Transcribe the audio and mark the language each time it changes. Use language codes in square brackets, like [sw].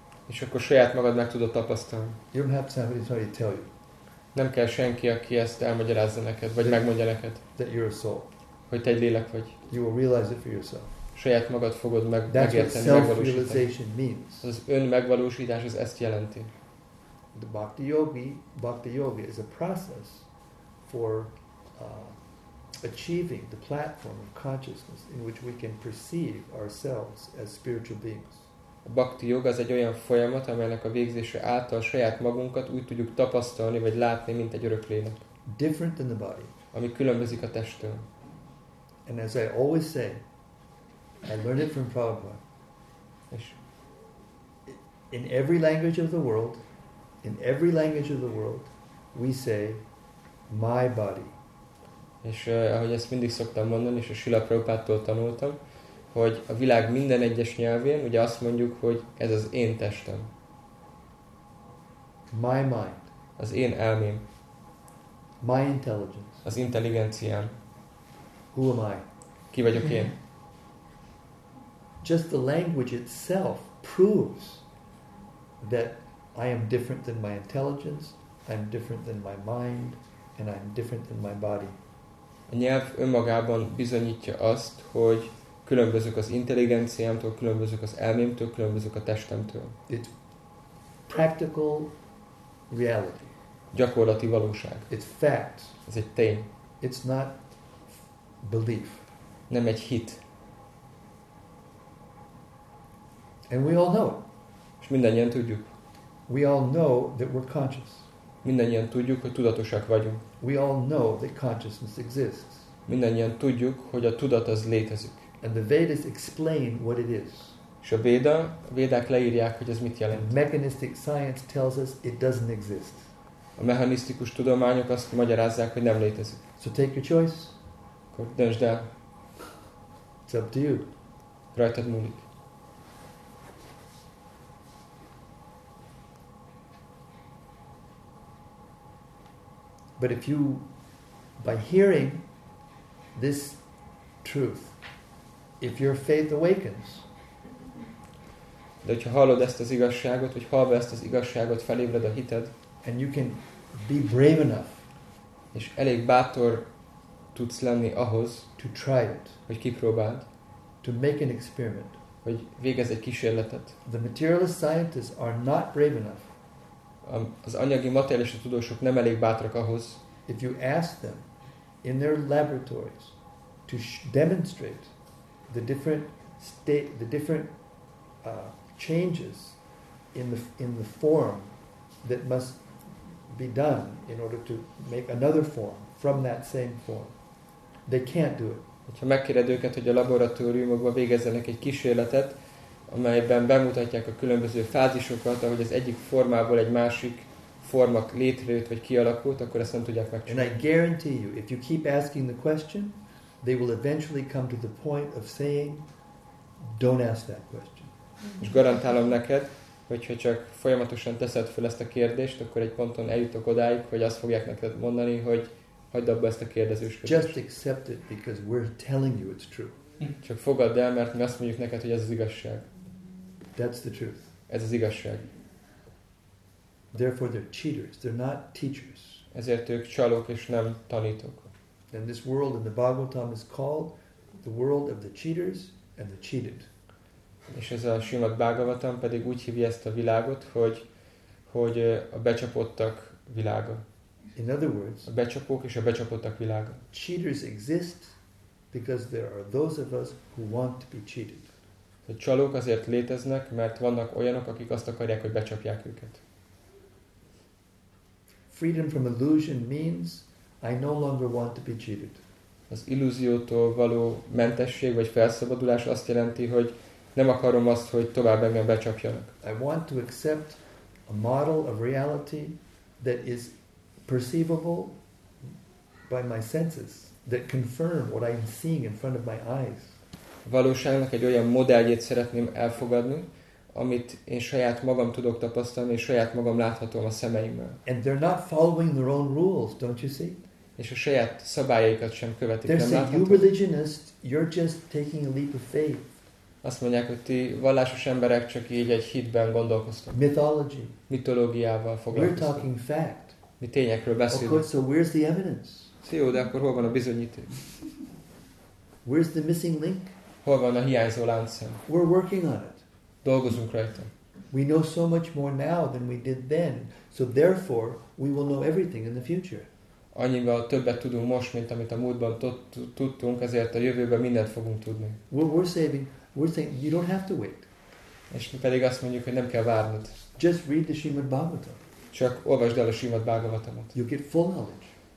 [hu] És akkor saját magad meg tudod tapasztalni. [en] You don't have somebody to tell you. [hu] Nem kell senki, aki ezt elmagyarázza neked, vagy megmondja neked. [en] That you're a soul. [hu] Hogy te egy lélek vagy. [en] You will realize it for yourself. [hu] Saját magad fogod megérteni, megvalósítani. Az ön megvalósítás az ezt jelenti. [en] The bhakti yogi is a process for achieving the platform of consciousness in which we can perceive ourselves as spiritual beings. [hu] A bhakti yoga az egy olyan folyamat, amelynek a végzése által saját magunkat úgy tudjuk tapasztalni, vagy látni, mint egy örök lélek. [en] Different than the body. [hu] Ami különbözik a testtől. [en] And as I always say, I learned it from Prabhupada. In every language of the world, we say, my body. [hu] És ahogy ezt mindig szoktam mondani, és a Srila Prabhupádtól tanultam, hogy a világ minden egyes nyelvén ugye azt mondjuk, hogy ez az én testem. [en] My mind. [hu] Az én elmém. [en] My intelligence. [hu] Az intelligenciám. [en] Who am I? [hu] Ki vagyok én? [en] Just the language itself proves that I am different than my intelligence, I'm different than my mind, and I'm different than my body. [hu] A nyelv önmagában bizonyítja azt, hogy különbözök az intelligenciámtól, különbözök az elmémtől, különbözök a testemtől. [en] It's practical reality. [hu] Gyakorlati valóság. [en] It's fact. [hu] Ez egy tény. [en] It's not belief. [hu] Nem egy hit. [en] And we all know. [hu] És mindannyian tudjuk. [en] We all know that we're conscious. [hu] Mindannyian tudjuk, hogy tudatosak vagyunk. [en] We all know that consciousness exists. [hu] Mindannyian tudjuk, hogy a tudat az létezik. [en] And the Vedas explain what it is. [hu] És a védák leírják, hogy ez mit jelent. [en] The mechanistic science tells us it doesn't exist. [hu] A mechanisztikus tudományok azt magyarázzák, hogy nem létezik. [en] So take your choice. [hu] Akkor döntsd el. [en] It's up to you. [hu] Rajtad múlik. [en] But if you, by hearing this truth, if your faith awakens, [hu] de hogyha hallod ezt az igazságot, vagy hallva ezt az igazságot, felébred a hited, [en] and you can be brave enough. [hu] És elég bátor tudsz lenni ahhoz, [en] to try it, [hu] hogy kipróbáld, [en] to make an experiment, [hu] hogy végezz egy kísérletet. [en] The materialist scientists are not brave enough. [hu] Az anyagi materialista tudósok nem elég bátrak ahhoz. [en] If you ask them in their laboratories to demonstrate the different state, the different changes in the form that must be done in order to make another form from that same form, they can't do it. [hu] Hogyha megkéred őket, hogy a laboratóriumokban végezzenek egy kísérletet, amelyben bemutatják a különböző fázisokat, ahogy az egyik formából egy másik forma létrejött vagy kialakult, akkor ezt nem tudják megcsinálni. [en] And I guarantee you, if you keep asking the question, they will eventually come to the point of saying, don't ask that question. [hu] És garantálom neked, hogyha csak folyamatosan teszed fel ezt a kérdést, akkor egy ponton eljutok odáig, hogy azt fogják neked mondani, hogy hagyd abba ezt a kérdezősködést. [en] Just accept it, because we're telling you it's true. [hu] Csak fogadd el, mert mi azt mondjuk neked, hogy ez az igazság. [en] That's the truth. [hu] Ez az igazság. [en] Therefore they're cheaters, they're not teachers. [hu] Ezért ők csalók és nem tanítók. [en] And this world in the Bhagavatam is called the world of the cheaters and the cheated. [hu] És ez a Srimad Bhagavatam pedig úgy hívja ezt a világot, hogy a becsapottak világa. [en] In other words, [hu] a becsapók és a becsapottak világa. [en] Cheaters exist because there are those of us who want to be cheated. [hu] A csalók azért léteznek, mert vannak olyanok, akik azt akarják, hogy becsapják őket. [en] Freedom from illusion means I no longer want to be cheated. [hu] Az illúziótól való mentesség vagy felszabadulás azt jelenti, hogy nem akarom azt, hogy tovább engem becsapjanak. [en] I want to accept a model of reality that is perceivable by my senses, that confirm what I'm seeing in front of my eyes. [hu] Valóságnak egy olyan modelljét szeretném elfogadni, amit én saját magam tudok tapasztalni, és saját magam láthatom a szemeimmel. [en] And they're not following their own rules, don't you see? [hu] És a saját szabályaikat sem követik. [en] They're saying, you religionist, you're just taking a leap of faith. [hu] Azt mondják, hogy ti vallásos emberek csak így egy hitben gondolkoztok. [en] Mythology. [hu] Mitológiával foglalkoztok. [en] We're talking fact. [hu] Mi tényekről beszélünk. [en] Okay, so where's the evidence? [hu] Jó, de akkor hol van a bizonyíték? [en] Where's the missing link? [hu] Hol van a hiányzó láncszem? [en] We're working on it. [hu] Dolgozunk rajta. [en] We know so much more now than we did then, so therefore we will know everything in the future. [hu] Annyival többet tudunk most, mint amit a múltban tudtunk, ezért a jövőben mindent fogunk tudni. [en] We're saying you don't have to wait. [hu] És mi pedig azt mondjuk, hogy nem kell várnod. [en] Just read the Srimad Bhagavatam. [hu] Csak olvasd el a Srimad Bhagavatamot. [en] You get full knowledge.